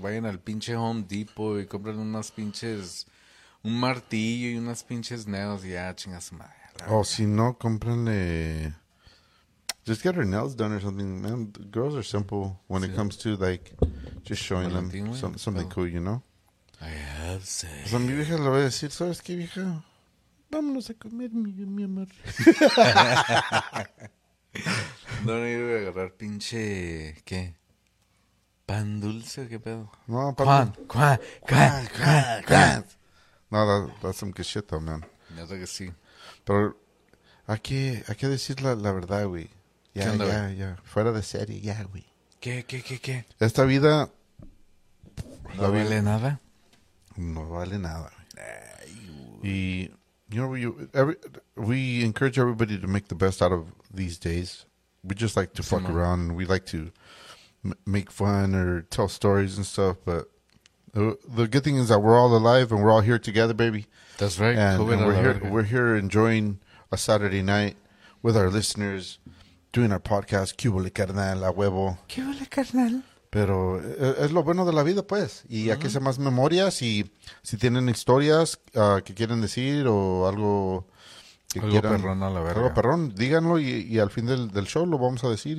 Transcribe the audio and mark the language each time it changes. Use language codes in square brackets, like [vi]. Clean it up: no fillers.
[es] Vayan al pinche Home Depot y compren unas pinches, un martillo y unas pinches nails y ya, chinga su madre. [en] Oh, [es] si no, cómprenle. [en] Just get her nails done or something. Man, girls are simple when it comes to, like, just showing Valentín, them something cool, you know? I have said. [es] Pues a mi vieja le voy a decir, ¿sabes qué, vieja? Vámonos a comer, mi amor. No, no, yo voy a agarrar pinche, ¿qué? ¿Pan dulce o qué pedo? No, pan. ¿Cuán? [en] No, that's some good shit, though, man. [es] Yo sé que sí. Pero hay que decir la verdad, güey. Ya. Fuera de serie, ya, güey. ¿Qué? Esta vida... ¿No vale nada? No vale nada. [en] Y, you know, we encourage everybody to make the best out of these days. We just like to fuck around. We like to make fun or tell stories and stuff. But the good thing is that we're all alive and we're all here together, baby. That's right. And we're here enjoying a Saturday night with our listeners, doing our podcast. [es] ¿Qué huele, carnal? A huevo. ¿Qué huele, carnal? Pero es lo bueno de la vida, pues. Y hay que hacer más memorias. Y si tienen historias que quieren decir o algo... Perrón a la verga. Algo perrón, díganlo y al fin del show lo vamos a decir.